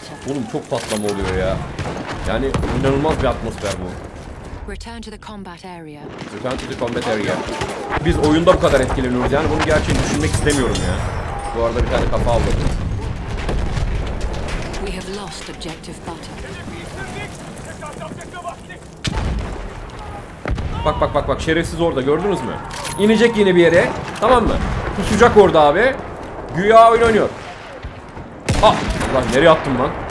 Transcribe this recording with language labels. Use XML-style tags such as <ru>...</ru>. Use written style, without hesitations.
<tr>Oğlum çok patlama oluyor ya. Yani inanılmaz bir atmosfer bu.</tr> <en>Return to the combat area. Return to the combat area.</en> <tr>Biz oyunda bu kadar etkileniyoruz yani, bunu gerçeği düşünmek istemiyorum ya. Bu arada bir tane kafa aldı.</tr> <en>We have lost objective button.</en> <tr>Bak bak bak bak, şerefsiz orada, gördünüz mü? İnecek yine bir yere. Tamam mı? Kusacak orada abi. Güya oyun oynuyor. Ah! Ulan nereye attım lan?</tr>